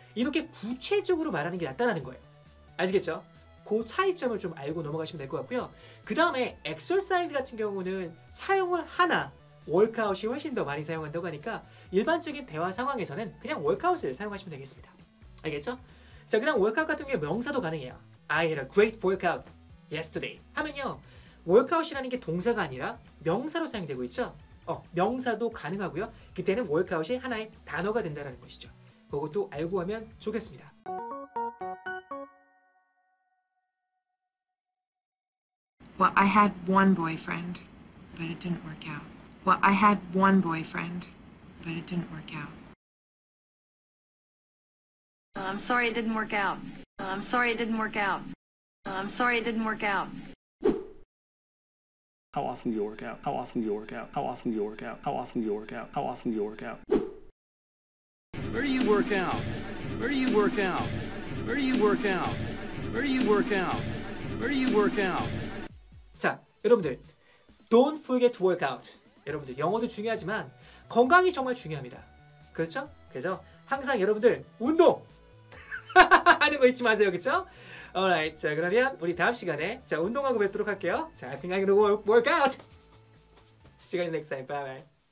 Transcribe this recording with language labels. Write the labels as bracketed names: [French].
[Korean] 이렇게 구체적으로 말하는 게 낫다라는 거예요. 아시겠죠? 그 차이점을 좀 알고 넘어가시면 될것 같고요. 그다음에 exercise 같은 경우는 사용을 하나 워크아웃이 훨씬 더 많이 사용한다고 하니까 일반적인 대화 상황에서는 그냥 워크아웃을 사용하시면 되겠습니다. 알겠죠? 자, 그다음 워크아웃 같은 게 명사도 가능해요. [English] I had a great workout yesterday. [Korean] 하면요, 워크아웃이라는 게 동사가 아니라 명사로 사용되고 있죠? 명사도 가능하고요. 그때는 워크아웃이 하나의 단어가 된다는 것이죠. 그것도 알고 가면 좋겠습니다. [English] 'Well, I had one boyfriend, but it didn't work out. Well, I had one boyfriend, but it didn't work out. I'm sorry it didn't work out. I'm sorry it didn't work out. I'm sorry it didn't work out. How often do you work out? How often do you work out? How often do you work out? How often do you work out? How often do you work out? Where do you work out? Where do you work out? Where do you work out? Where do you work out? Where do you work out? [Korean] 자, 여러분들, [English] don't forget to work out. [Korean] 여러분들 영어도 중요하지만 건강이 정말 중요합니다. 그렇죠? 그래서 항상 여러분들 운동 하는 거 잊지 마세요. 그렇죠? [English] Alright, [Korean] 자 그러면 우리 다음 시간에 자 운동하고 뵙도록 할게요. [English] 자, I think I'm gonna work out. See you guys next time. Bye bye.